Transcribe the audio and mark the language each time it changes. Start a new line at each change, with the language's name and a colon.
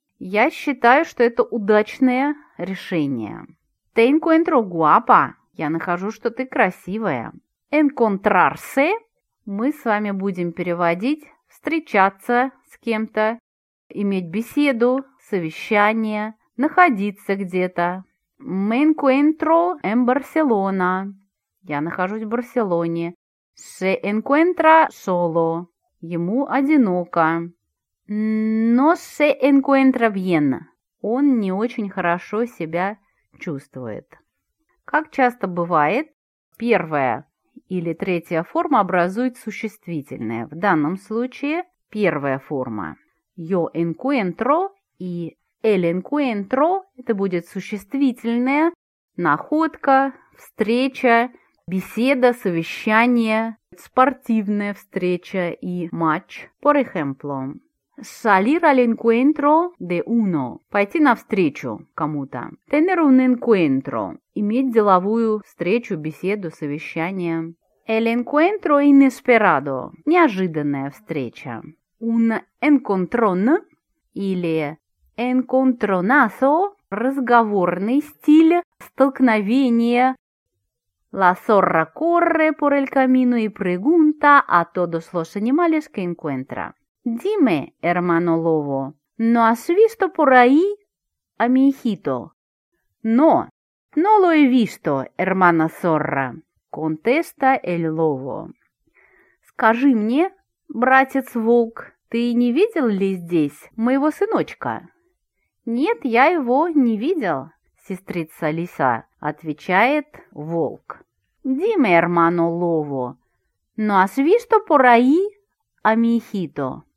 Russian: Я считаю, что это удачное решение.
Spanish: Te encuentro guapa.
Russian: Я нахожу, что ты красивая.
Spanish: Encontrarse.
Russian: Мы с вами будем переводить «встречаться с кем-то», «иметь беседу», «совещание», «находиться где-то».
Spanish: «Me encuentro en Barcelona».
Russian: Я нахожусь в Барселоне.
Spanish: «Se encuentra solo».
Russian: Ему одиноко.
Spanish: «No se encuentra bien».
Russian: Он не очень хорошо себя чувствует. Как часто бывает, первое или третья форма образует существительное. В данном случае первая форма. Yo encuentro и el encuentro – это будет существительное. Находка, встреча, беседа, совещание, спортивная встреча и матч.
Spanish: Por ejemplo, salir al encuentro de uno –
Russian: пойти навстречу кому-то.
Spanish: Tener un encuentro
Russian: – иметь деловую встречу, беседу, совещание.
Spanish: El encuentro inesperado –
Russian: неожиданная встреча.
Spanish: Un encontrón
Russian: или encontronazo – разговорный стиль, столкновение.
Spanish: La zorra corre por el camino y pregunta a todos los animales que encuentra. Dime, hermano lobo, ¿no has visto por ahí a mi hijito? No, no lo he visto, hermana zorra. Contesta el lobo.
Russian: Скажи мне, братец волк, ты не видел ли здесь моего сыночка? Нет, я его не видел, сестрица лиса, отвечает волк.
Spanish: Dime, hermano lobo, ¿no has visto por ahí a mi hijito?